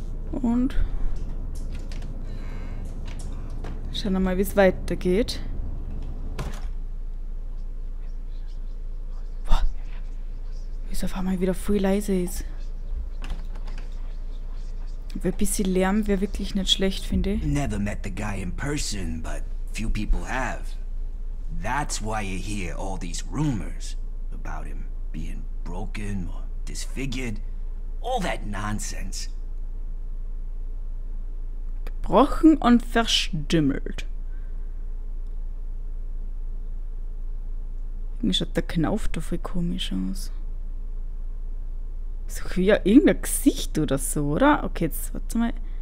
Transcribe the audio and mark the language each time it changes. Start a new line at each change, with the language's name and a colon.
German: Und schauen wir mal, wie es weitergeht. Boah. Wie es auf einmal wieder voll leise ist. Aber ein bisschen Lärm wäre wirklich nicht schlecht, finde ich.
English: Never met the guy in person, but few people have. That's why you hear all these rumors about him being broken or disfigured. All that nonsense.
German: Gebrochen und verstümmelt. Irgendwie schaut der Knauf da voll komisch aus. So wie irgendein Gesicht oder so, oder? Okay, jetzt warte mal.